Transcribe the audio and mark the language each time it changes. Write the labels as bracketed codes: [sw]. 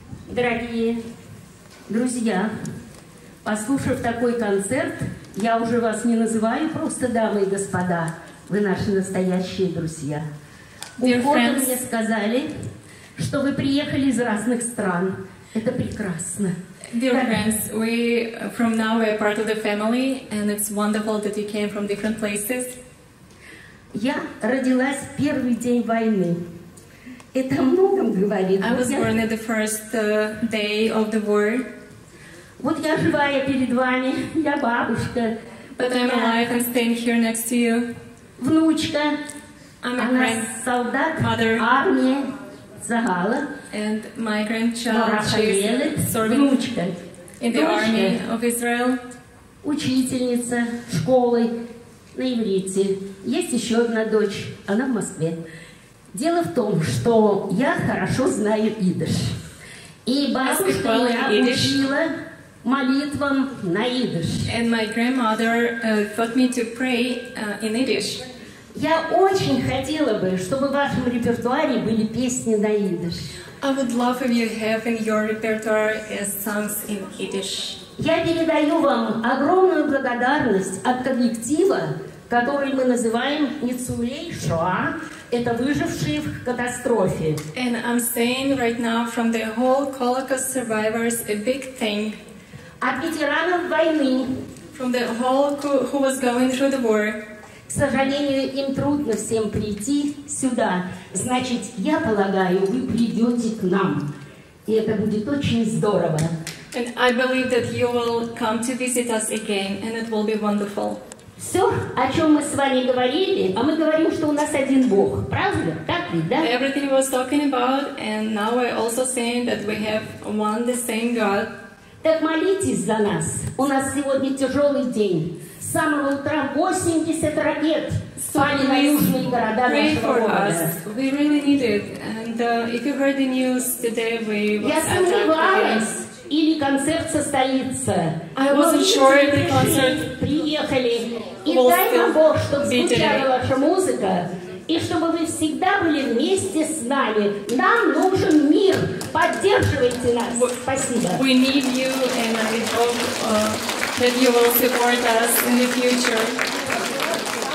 [ru] Дорогие друзья, послушав такой концерт, я уже вас не называю просто дамы и господа, вы наши настоящие друзья. У входа мне сказали, что вы приехали из разных стран. Это прекрасно. [en] Dear friends, we from now we are part of the family, and it's wonderful that you came from different places. [ru] Я родилась первый день войны. Это многом говорит. [en] I was born at the first day of the war. [ru] Вот я живая перед вами, я бабушка. [en] But I'm alive and staying here next to you. [ru] Внучка. [en] I'm a friend. [ru] Она солдат. [en] Mother. [ru] Армия. Загала. [en] And my grandchild, Рафаэль, serving [ru] внучка. [en] In the [ru] внучка. [en] Army of Israel. [ru] Учительница школы на иврите. Есть еще одна дочь, она в Москве. Дело в том, что я хорошо знаю идыш. И бабушка меня учила молитвам на идыш. [en] And my grandmother taught me to pray in Yiddish. [ru] Я очень хотела бы, чтобы в вашем репертуаре были песни на идыш. [en] I would love if you have in your repertoire songs in Yiddish. [ru] Я передаю вам огромную благодарность от коллектива, который мы называем Ницулей Шоа. Это выжившие в катастрофе. [en] And I'm saying right now from the whole Holocaust survivors a big thing. [ru] От ветеранов войны. [en] From the whole who was going through the war. [ru] К сожалению, им трудно всем прийти сюда. Значит, я полагаю, вы придете к нам. И это будет очень здорово. [en] And I believe that you will come to visit us again, and it will be wonderful. [ru] Все, о чем мы с вами говорили, а мы говорим, что у нас один Бог. Правда? Так ведь, да? [en] Everything we were talking about, and now we're also saying that we have one the same God. [ru] Так молитесь за нас. У нас сегодня тяжелый день. С самого утра 80 ракет спали на южные города нашего города. [en] We really need it. And if you heard the news today, we was attacked. [ru] Я сомневалась, или концерт состоится. [en] I wasn't sure if the concert [ru] приехали. И дай нам Бог, чтобы звучала ваша музыка, и чтобы вы всегда были вместе с нами. Нам нужен мир. Поддерживайте нас. Спасибо. [en] We need you, and I hope that you will support us in the future.